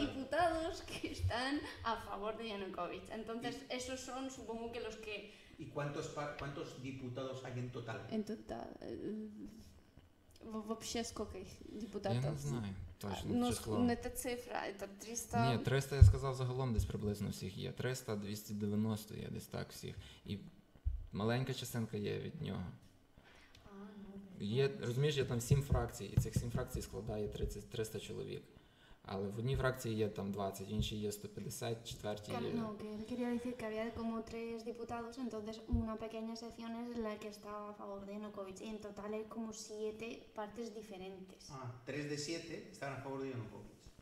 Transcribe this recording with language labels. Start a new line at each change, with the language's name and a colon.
Spanish: Diputados que están a favor de Yanukovych. Entonces, esos son, supongo que los que. ¿Y cuántos diputados hay en total? En total.
Russian: Вообще сколько их депутатов? Я не знаю точно. Ну, число.
Ukrainian: Не та цифра, це 300. Ні, 300, я сказав, загалом десь приблизно всіх є. 300, 290 є десь так всіх. І маленька частинка є від нього. Є, розумієш, є там 7 фракцій, і цих 7 фракцій складає 30, 300 чоловік. Але в одній фракції є там 20, в іншій є 150, четвертій є. Ну, я хотів сказати, що є
Spanish: como
Ukrainian: 3 депутати,
Spanish: entonces una pequeña sección es la que estaba a favor de Yanukovych. En total hay como 7 partes diferentes. Ah, 3 de 7 están a favor de Yanukovych.